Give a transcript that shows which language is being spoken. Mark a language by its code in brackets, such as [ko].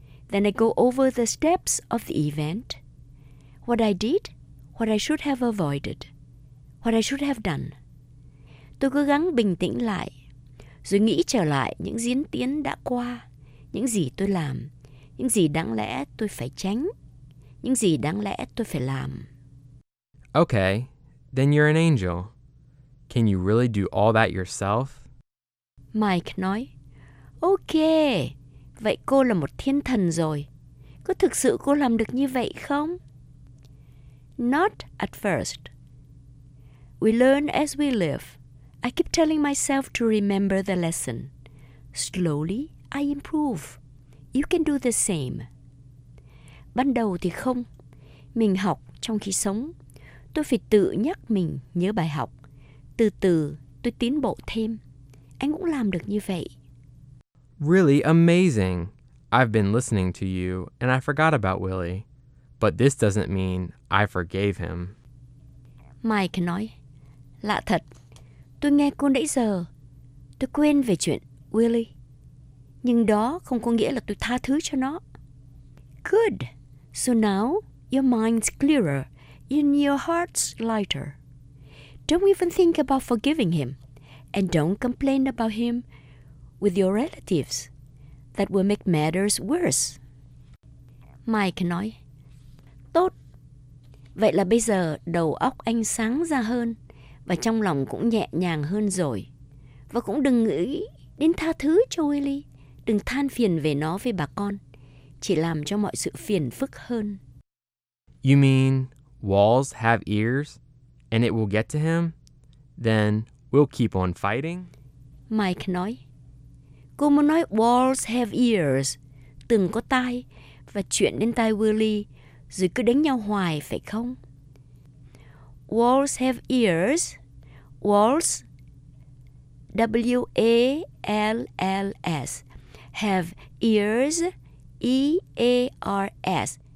[en] Then I go over the steps of the event. What I did, what I should have avoided, what I should have done. [vi] Tôi cố gắng bình tĩnh lại, rồi nghĩ trở lại những diễn tiến đã qua, những gì tôi làm, những gì đáng lẽ tôi phải tránh, những gì đáng lẽ tôi phải làm. [en] Okay, then you're an angel. Can you really do all that yourself? [vi] Mike nói, Okay, vậy cô là một thiên thần rồi. Có thực sự cô làm được như vậy không? [en] Not at first. We learn as we live. I keep telling myself to remember the lesson. Slowly, I improve. You can do the same. [vi] Ban đầu thì không. Mình học trong khi sống. Tôi phải tự nhắc mình nhớ bài học. Từ từ, tôi tiến bộ thêm. Anh cũng làm được như vậy. [en] Really amazing. I've been listening to you, and I forgot about Willie. But this doesn't mean I forgave him. [vi] Mike nói, Lạ thật, tôi nghe cô nãy giờ. Tôi quên về chuyện Willie. Nhưng đó không có nghĩa là tôi tha thứ cho nó. [en] Good. So now, your mind's clearer. And your heart's lighter. Don't even think about forgiving him. And don't complain about him with your relatives. That will make matters worse. [vi] Mike nói, Tốt. Vậy là bây giờ đầu óc anh sáng ra hơn và trong lòng cũng nhẹ nhàng hơn rồi. Và cũng đừng nghĩ đến tha thứ cho Willie. Đừng than phiền về nó với bà con. Chỉ làm cho mọi sự phiền phức hơn. [en] You mean walls have ears and it will get to him? Then we'll keep on fighting? [vi] Mike nói, Cô muốn nói [en] walls have ears, [vi] tường có tai, và chuyện đến tai Willie, rồi cứ đánh nhau hoài, phải không? [en] Walls have ears. Walls, W-A-L-L-S, have ears, E-A-R-S.